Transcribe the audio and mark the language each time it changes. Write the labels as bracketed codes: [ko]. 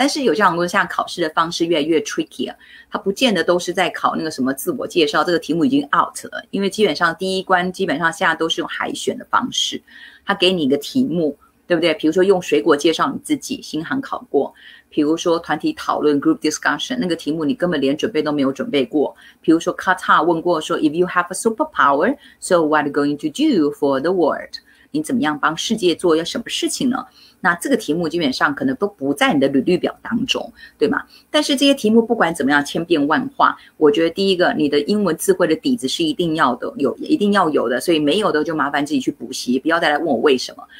[zh] 但是有些航空公司现在考试的方式越来越 tricky 了，它不见得都是在考那个什么自我介绍，这个题目已经 out 了。因为基本上第一关基本上现在都是用海选的方式，它给你一个题目，对不对？比如说用水果介绍你自己，新航考过。比如说团体讨论 group discussion 那个题目，你根本连准备都没有准备过。比如说 [en] Qatar [zh] 问过说 [en] if you have a superpower, so what are you going to do for the world？ [zh] 你怎么样帮世界做要什么事情呢？那这个题目基本上可能都不在你的履历表当中，对吗？但是这些题目不管怎么样千变万化，我觉得第一个你的英文智慧的底子是一定要的，有一定要有的，所以没有的就麻烦自己去补习，不要再来问我为什么。